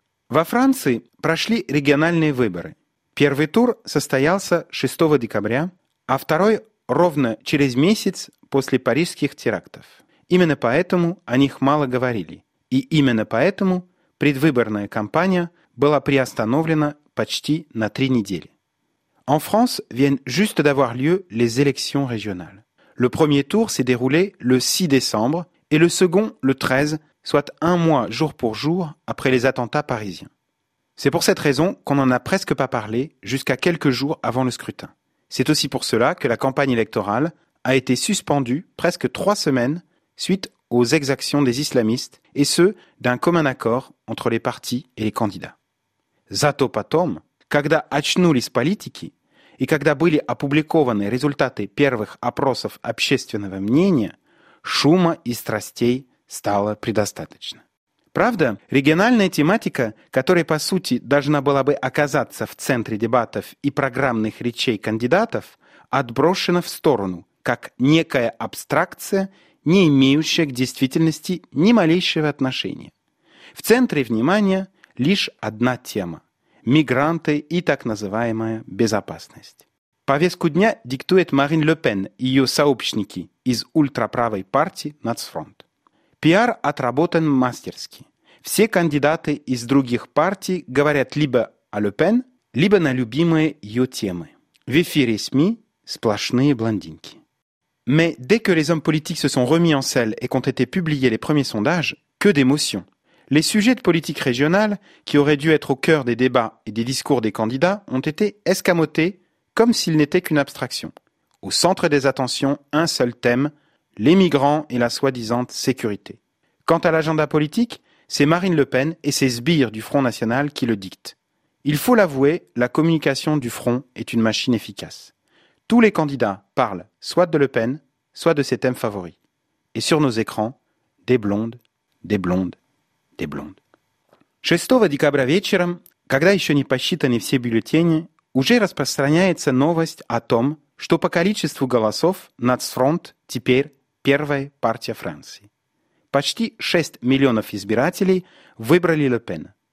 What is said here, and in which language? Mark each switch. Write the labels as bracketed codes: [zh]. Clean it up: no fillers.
[ru] Во Франции прошли региональные выборы. Первый тур состоялся 6 декабря, а второй ровно через месяц после парижских терактов. Именно поэтому о них мало говорили. И именно поэтому предвыборная кампания была приостановлена почти на 3 недели. [fr] En France viennent juste d'avoir lieu les élections régionales. Le premier tour s'est déroulé le 6 décembre et le second le 13, soit un mois jour pour jour après les attentats parisiens. C'est pour cette raison qu'on n'en a presque pas parlé jusqu'à quelques jours avant le scrutin. C'est aussi pour cela que la campagne électorale a été suspendue presque 3 semaines suite aux exactions des islamistes et ce, d'un commun accord entre les partis et les candidats. [ru] Зато потом, когда очнулись политики и когда были опубликованы результаты первых опросов общественного мнения, шума и страстей стало предостаточно. Правда, региональная тематика, которая по сути должна была бы оказаться в центре дебатов и программных речей кандидатов, отброшена в сторону, как некая абстракция, не имеющая к действительности ни малейшего отношения. В центре внимания лишь одна тема – мигранты и так называемая безопасность. Повестку дня диктует Марин Ле Пен и ее сообщники из ультраправой партии «Нацфронт». Пиар отработан мастерски. Все кандидаты из других партий говорят либо о Ле Пен, либо на любимые ее темы. В эфире СМИ сплошные блондинки. [fr] Mais dès que les hommes politiques se sont remis en selle et qu'ont été publiés les premiers sondages, que d'émotions. Les sujets de politique régionale, qui auraient dû être au cœur des débats et des discours des candidats, ont été escamotés comme s'ils n'étaient qu'une abstraction. Au centre des attentions, un seul thème, les migrants et la soi-disant sécurité. Quant à l'agenda politique, c'est Marine Le Pen et ses sbires du Front National qui le dictent. Il faut l'avouer, la communication du Front est une machine efficace. Tous les candidats parlent soit de Le Pen, soit de ses thèmes favoris. Et sur nos écrans, des blondes, des blondes, des blondes. [ru] 6 декабря вечером, когда еще не посчитаны все бюллетени, уже распространяется новость о том, что по количеству голосов Нацфронт теперь первая партия Франции. Почти 6 миллионов избирателей выбрали Le Pen.